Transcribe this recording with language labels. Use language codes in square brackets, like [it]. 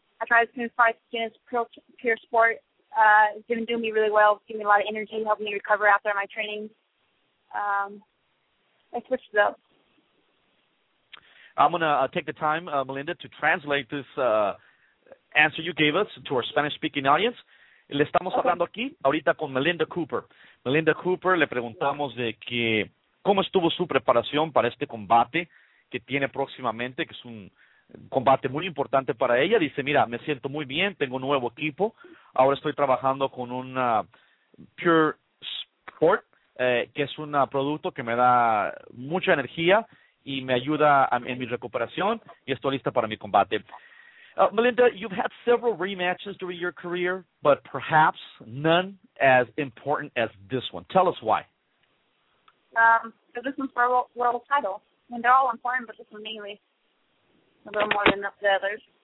[en] I try to spend as far as skin as pure sport. It's been doing me really well. It's giving me a lot of energy, helping me recover after my training. I switched it up. I'm going to take the time, Melinda, to translate this answer you gave us to our Spanish-speaking audience. [es] Le estamos hablando aquí ahorita con Melinda Cooper. Melinda Cooper, le preguntamos de que cómo estuvo su preparación para este combate que tiene próximamente, que es un combate muy importante para ella. Dice, mira, me siento muy bien, tengo un nuevo equipo. Ahora estoy trabajando con un Pure Sport, que es un producto que me da mucha energía y me ayuda en mi recuperación y estoy lista para mi combate. [en] Melinda, you've had several rematches during your career, but perhaps none as important as this one. Tell us why. So this one's for a world title. I mean, they're all important, but this one mainly. A little more than the others.